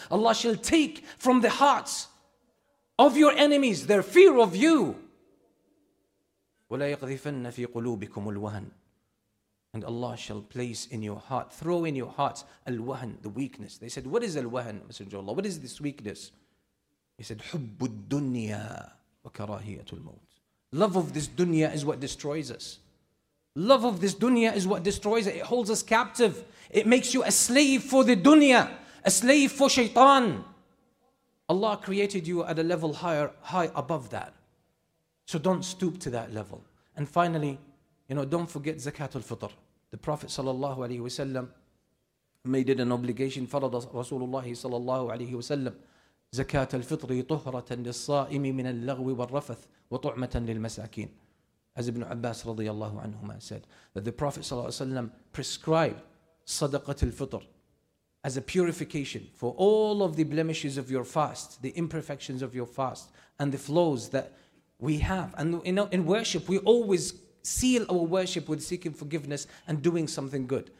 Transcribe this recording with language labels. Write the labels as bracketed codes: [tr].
[en] Allah shall take from the hearts of your enemies their fear of you. [ar] وَلَيَقْذِفَنَّ فِي قُلُوبِكُمُ الْوَهَنِ. [en] And Allah shall place in your heart, throw in your hearts, الْوَهَنِ, the weakness. They said, what is الْوَهَنِ, Messenger of Allah? What is this weakness? He said, [ar] حُبُّ الدُّنْيَا وَكَرَاهِيَةُ الْمَوْتِ. [en] Love of this dunya is what destroys us. Love of this dunya is what destroys it. It holds us captive. It makes you a slave for the dunya, a slave for shaitan. Allah created you at a level higher, high above that. So don't stoop to that level. And finally, you know, don't forget Zakatul Fitr. The Prophet sallallahu alayhi wa sallam made it an obligation. [ar] فرض Rasulullah sallallahu alayhi wa sallam زكاة الفطر طهرة للصائم من اللغو والرفث وطعمة للمساكين. [en] As Ibn Abbas [ar] رضي الله عنهما [en] said, that the Prophet [ar] صلى الله عليه وسلم [en] prescribed صدقة الفطر as a purification for all of the blemishes of your fast, the imperfections of your fast, and the flaws that we have. And in worship, we always seal our worship with seeking forgiveness and doing something good.